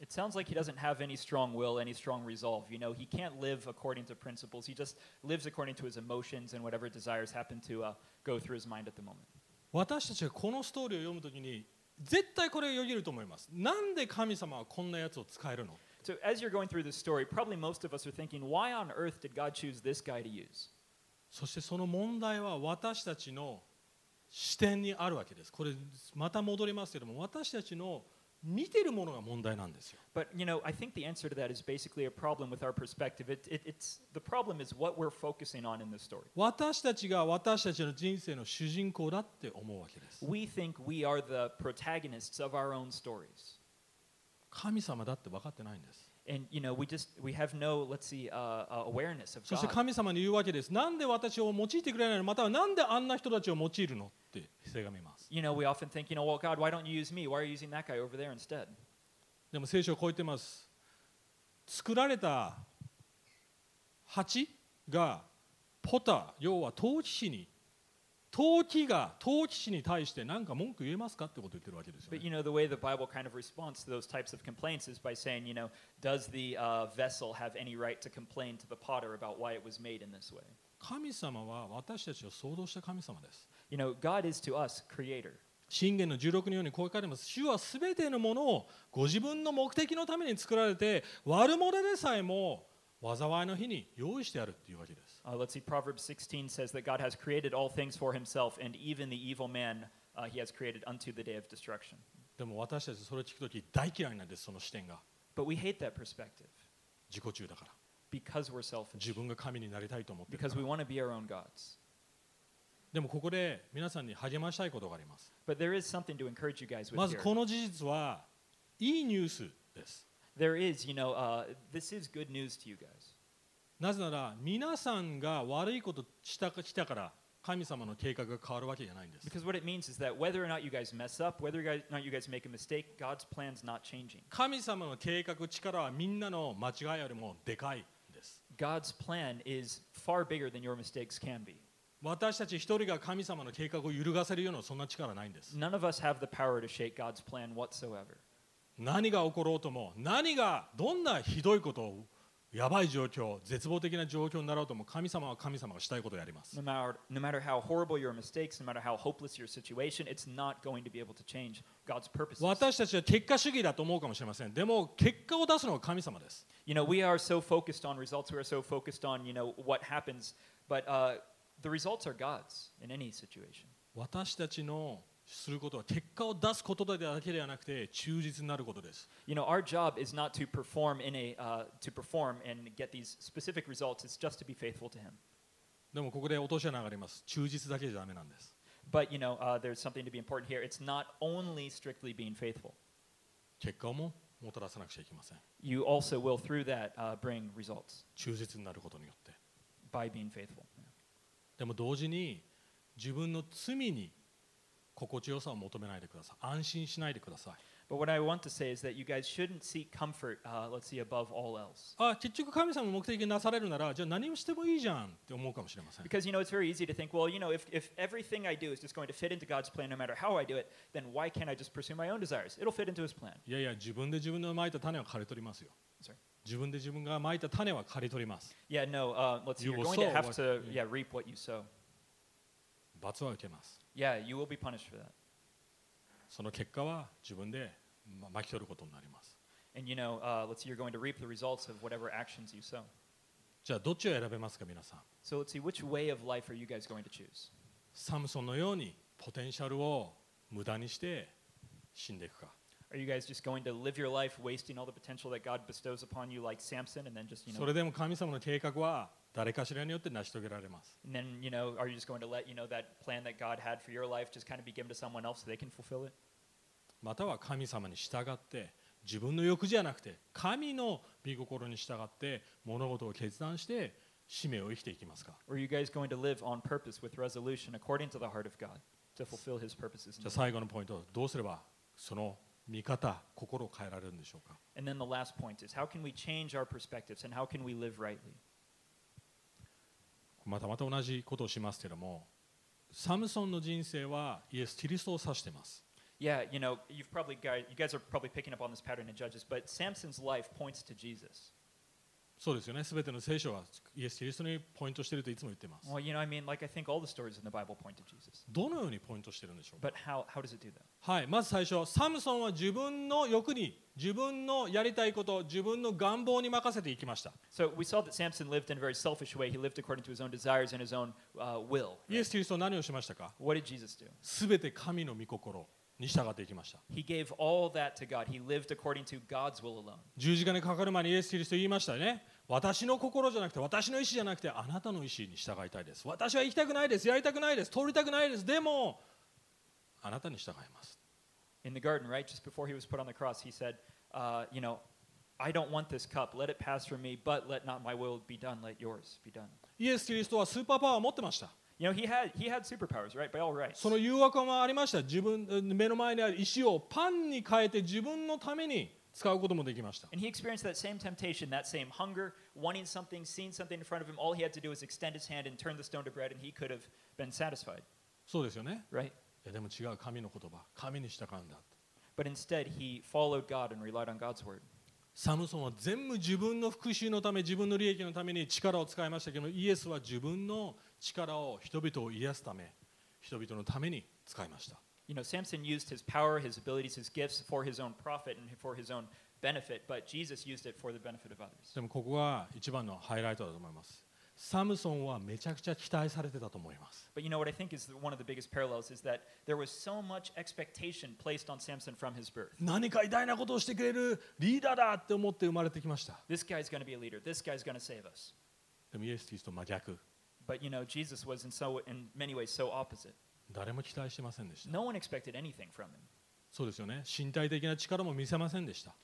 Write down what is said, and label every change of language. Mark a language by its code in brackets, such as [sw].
[en] It sounds like he doesn't have any strong will, any strong resolve. You know, he can't live according to principles. He just lives according to his emotions and whatever desires happen to go through his mind at the moment. [ja] 私たちがこのストーリーを読むときに、絶対これをよぎると思います。なんで神様はこんなやつを使えるの？ [en] So as you're going through this story, probably most of us are thinking, why on earth did God choose this guy to use? [ja] そしてその問題は私たちの視点にあるわけです。これまた戻りますけども、私たちの見てるものが問題なんですよ。 [en] But you know, I think the answer to that is basically a problem with our perspective. It's the problem is what we're focusing on in the story. [ja] 私たちが私たちの人生の主人公だって思うわけです。 [en] We think we are the protagonists of our own stories. [ja] 神様だって分かってないんです。 [en] And you know, we have no, let's see, awareness of God. [ja] そして神様に言うわけです。なんで私を用いてくれないの？またはなんであんな人たちを用いるの？ [en] You know, we often think, you know, well, God, why don't you use me? Why are you using that guy over there instead? [ja] でも聖書はこう言ってます。作られた蜂がポター、要は陶器が陶器師に対して何か文句言えますかってことを言ってるわけですよね。 [en] But you know, the way the Bible kind of responds to those types of complaints is by saying, you know, does the vessel have any right to complain to the potter about why it was made in this way? [ja] 神様は私たちを創造した神様です。 [en] You know, God is to us creator. [ja] 箴言の16のようにこう書いてあります。主はすべてのものをご自分の目的のために作られて、悪者でさえも災いの日に用意してあるというわけです。 [en] Let's see, Proverbs 16 says that God has created all things for himself, and even the evil man, he has created unto the day of destruction. [ja] でも私たちそれを聞くとき大嫌いなんです、その視点が。 [en] But we hate that perspective. [ja] 自己中だから。 [en] Because we're selfish. [ja] 自分が神になりたいと思ってるから。 [en] Because we want to be our own gods. [ja] でもここで皆さんに励ましたいことがあります。 [en] But there is something to encourage you guys with here. [ja] まずこの事実はいいニュースです。 [en] There is, you know, this is good news to you guys. [ja] なぜなら皆さんが悪いことしたから神様の計画が変わるわけじゃないんです。 [en] Because what it means is that whether or not you guys mess up, whether or not you guys make a mistake, God's plan's not changing. [ja] 神様の計画力はみんなの間違いよりもでかいです。 [en] God's plan is far bigger than your mistakes can be. [ja] 私たち一人が神様の計画を揺るがせるようなそんな力ないんです。 [en] None of us have the power to shake God's plan whatsoever. [ja] 何が起ころうとも、何がどんなひどいこと、やばい状況、絶望的な状況になろうとも、神様は神様がしたいことをやります。 [en] No matter how horrible your mistakes, no matter how hopeless your situation, it's not going to be able to change God's purposes. [ja] 私たちは結果主義だと思うかもしれません。でも結果を出すのは神様です。 [en] You know, we are so focused on results, we are so focused on, you know, what happens, but, The results are God's in any situation. [ja] 私たちのすることは結果を出すことだけではなくて忠実になることです。 [en] You know, our job is not to perform and get these specific results. It's just to be faithful to Him. [ja] でもここで落とし穴があります。忠実だけじゃダメなんです。 [en] But you know, there's something to be important here. It's not only strictly being faithful. [ja] 結果ももたらさなくちゃいけません。 [en] You also will through that bring results. [ja] 忠実になることによって。 [en] By being faithful. [ja] でも同時に自分の罪に心地よさを求めないでください。安心しないでください。 [en] But what I want to say is that you guys shouldn't seek comfort, let's see, above all else. [ja] 結局神様の目的になされるなら、じゃあ何をしてもいいじゃんって思うかもしれません。 [en] Because you know, it's very easy to think, well, you know, if everything I do is just going to fit into God's plan no matter how I do it, then why can't I just pursue my own desires? It'll fit into His plan. [ja] いやいや、自分で自分の蒔いた種は刈り取りますよ。 [en] Sorry. [ja] 自分で自分が蒔いた種は刈り取ります。 [en] Yeah, no, let's see, you're going to have to, yeah, reap what you sow. [ja] 罰は受けます。 [en] Yeah, you will be punished for that. [ja] その結果は自分で巻き取ることになります。 [en] And you know, let's see, you're going to reap the results of whatever actions you sow. [ja] じゃあどっちを選べますか、皆さん。 [en] So let's see, which way of life are you guys going to choose? [ja] サムソンのようにポテンシャルを無駄にして死んでいくか。 [en] Are you guys just going to live your life wasting all the potential that God bestows upon you like Samson and then just, you know, [ja] それでも神様の計画は誰かしらによって成し遂げられます。 [en] And then, you know, are you just going to let, you know, that plan that God had for your life just kind of be given to someone else so they can fulfill it? [ja] または神様に従って自分の欲じゃなくて神の御心に従って物事を決断して使命を生きていきますか? [en] Are you guys going to live on purpose with resolution according to the heart of God to fulfill His purposes? [ja] じゃあ最後のポイント、どうすればその見方、心を変えられるんでしょうか。 [en] And then the last point is, how can we change our perspectives and how can we live rightly? [ja] またまた同じことをしますけども、サムソンの人生はイエス・キリストを指しています。 [en] Yeah, you know, you guys are probably picking up on this pattern in Judges, but Samson's life points to Jesus. [ja] そうですよね。全ての聖書はイエス・キリストにポイントしているといつも言ってます。 [en] Well, you know, I mean, like, I think all the stories in the Bible point to Jesus. [ja] どのようにポイントしているんでしょうか。 [en] But how does it do that? [ja] はい、まず最初、サムソンは自分の欲に、自分のやりたいこと、自分の願望に任せていきました。 [en] So we saw that Samson lived in a very selfish way. He lived according to his own desires and his own will. Right? [ja] イエス・キリストは何をしましたか。 [en] What did Jesus do? [ja] 全て神の御心に従っていきました。 [en] He gave all that to God. He lived according to God's will alone. [ja] 十字架にかかる前にイエス・キリスト言いましたね。私の心じゃなくて私の意思じゃなくてあなたの意思に従いたいです。私は行きたくないです。やりたくないです。通りたくないです。でもあなたに従います。 [en] In the garden, right just before he was put on the cross, he said, you know, I don't want this cup. Let it pass from me, but let not my will be done, let yours be done. [ja] イエス・キリストはスーパーパワーを持ってました。 [en] You know, he had superpowers, right? By all rights. [ja] その誘惑もありました。自分目の前にある石をパンに変えて自分のために使うこともできました。 [en] And he experienced that same temptation, that same hunger, wanting something, seeing something in front of him. All he had to do was extend his hand and turn the stone to bread, and he could have been satisfied. [ja] そうですよね。 [en] Right. [ja] いやでも違う神の言葉、神に従うんだ。 [en] But instead, he followed God and relied on God's word. [ja] サムソンは全部自分の復讐のため、自分の利益のために力を使いましたけども、イエスは自分の力を人々を癒すため、人々のために使いました。 [en] You know, Samson used his power, his abilities, his gifts for his own profit and for his own benefit, but Jesus used it for the benefit of others. [ja] でもここが一番のハイライトだと思います。サムソンはめちゃくちゃ期待されてたと思います。 [en] But you know what I think is one of the biggest parallels is that there was so much expectation placed on Samson from his birth. [ja] 何か偉大なことをしてくれるリーダーだって思って生まれてきました。 [en] This guy's going to be a leader. This guy's going to save us. [ja] でもイエス・キリスト真逆。 [en] But you know, Jesus was in many ways so opposite. [ja] 誰も期待してませんでした。 [en] No one expected anything from him. [ja] そうですよね。身体的な力も見せませんでした。